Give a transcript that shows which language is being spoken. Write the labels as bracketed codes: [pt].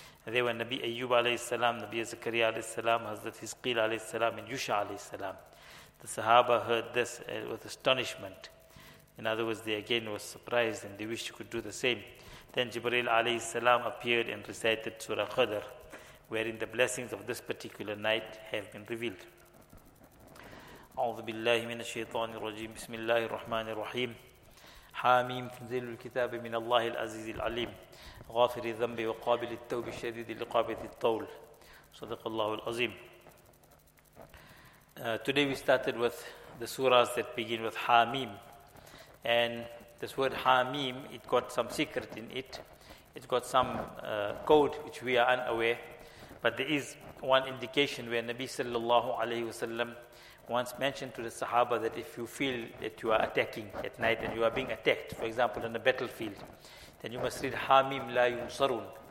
[en] And they were Nabi Ayyub alayhi salam, Nabi Zakariya alayhi salam, Hazrat Hizqeel alayhi salam, and Yusha alayhi salam. The Sahaba heard this with astonishment. In other words, they again were surprised and they wished to could do the same. Then Jibreel alayhi salam appeared and recited Surah Qadr, wherein the blessings of this particular night have been revealed. [ar] أعوذ بالله من الشيطان الرجيم بسم الله الرحمن الرحيم حاميم تنزيل الكتاب من الله العزيز العليم غافر الذنب وقابل التوب الشديد لقابة الطول صدق الله العظيم. [en] Today we started with the surahs that begin with حاميم, and this word حاميم, it got some secret in it. It got some code which we are unaware, but there is one indication where Nabi sallallahu alayhi wasallam once mentioned to the Sahaba that if you feel that you are attacking at night and you are being attacked, for example, on a battlefield, then you must read Hamim la yunsarun.